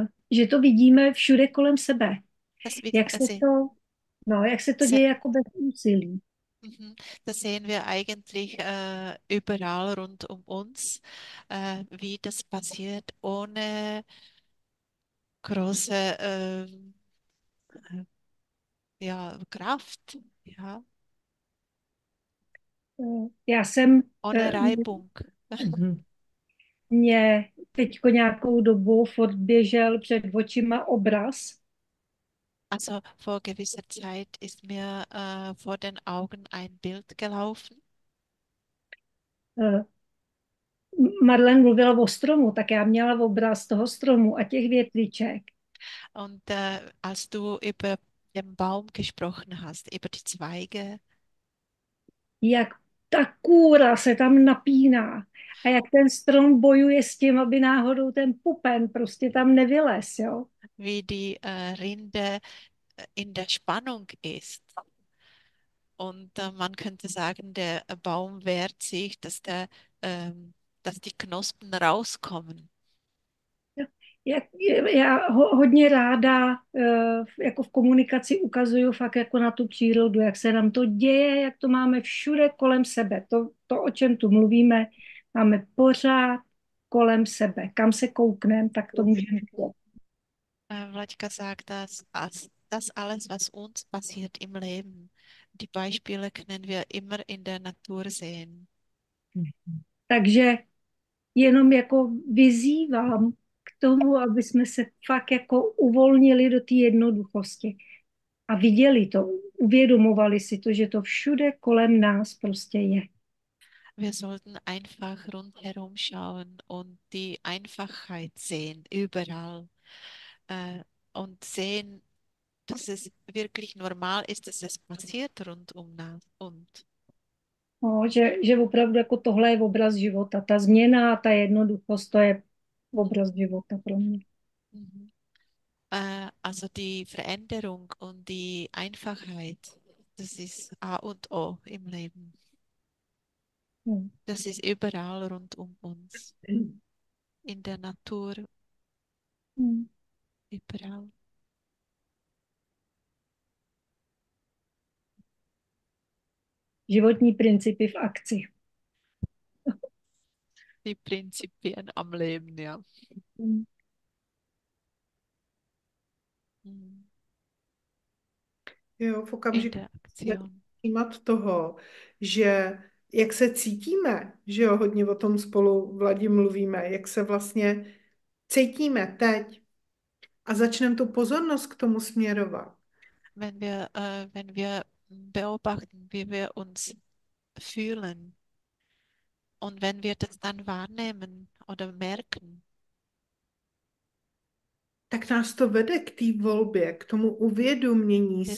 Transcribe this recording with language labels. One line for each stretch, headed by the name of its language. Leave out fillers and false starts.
Czech: Že to vidíme všude kolem sebe.
German: Das wir
Czech: Jak se quasi to, no, jak se to děje jako bez úsilí.
German: Das sehen wir eigentlich überall rund um uns, wie das passiert ohne große ja, Kraft, ja.
Czech: Já jsem
German: Ohne Reibung.
Czech: mě teďko nějakou dobu furt běžel před očima obraz.
German: Also vor gewisser Zeit ist mir vor den Augen ein Bild gelaufen.
Czech: Madeleine mluvila o stromu, tak já měla obraz toho stromu a těch větviček.
German: Und als du über den Baum gesprochen hast, über die Zweige.
Czech: Jak ta kůra se tam napíná. A jak ten strom bojuje s tím, aby náhodou ten pupen prostě tam nevylez, jo?
German: Wie die Rinde in der Spannung ist. Und man könnte sagen, der Baum wehrt sich, dass die Knospen rauskommen.
Czech: Já hodně ráda jako v komunikaci ukazuju fakt jako na tu přírodu, jak se nám to děje, jak to máme všude kolem sebe. To, o čem tu mluvíme, máme pořád kolem sebe. Kam se koukneme, tak to můžeme vidět.
German: Vlaďka sagt, dass das alles, was uns passiert im Leben, die Beispiele können wir immer in der Natur sehen.
Czech: Takže jenom jako vyzývám tomu, aby jsme se fakt jako uvolnili do té jednoduchosti a viděli to, uvědomovali si to, že to všude kolem nás prostě je.
German: Wir sollten einfach rundherum schauen und die Einfachheit sehen, überall. Und sehen, dass es wirklich normal ist, dass es passiert rund um nás. Und
Czech: No, že opravdu jako tohle je obraz života. Ta změna, ta jednoduchost, to je obraz života pro mě.
German: Also die Veränderung und die Einfachheit, das ist A und O im Leben. Das ist überall rund um uns, in der Natur, überall.
Czech: Životní principy v akci.
German: Die Prinzipien am Leben, ja.
Czech: Jo, v okamžiku
German: Interaktion.
Czech: vnímat toho, že jak se cítíme, že jo, hodně o tom spolu, Vladi, mluvíme, jak se vlastně cítíme teď a začneme tu pozornost k tomu směrovat.
German: Wenn wir beobachten, wie wir uns fühlen und wenn wir das dann wahrnehmen oder merken.
Czech: Tak nás to vede k té volbě, k tomu uvědomění si.